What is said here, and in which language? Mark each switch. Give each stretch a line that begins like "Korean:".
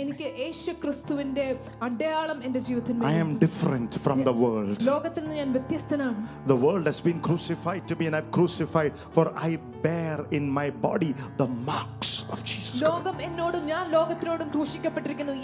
Malayalam: എനിക്ക് യേശു ക്രിസ്തുവിന്റെ അടയാളം എൻ്റെ ജീവിതത്തിൽ.
English: I am different from the world.
Malayalam: ലോകത്തിൽ നിന്ന് ഞാൻ വ്യത്യസ്തനാണ്.
English: The world has been crucified to me and I've crucified, for I bear in my body the marks of Jesus Christ.
Malayalam: ലോകം എന്നോടും ഞാൻ ലോകത്തോടും ക്രൂശിക്കപ്പെട്ടിരിക്കുന്നു.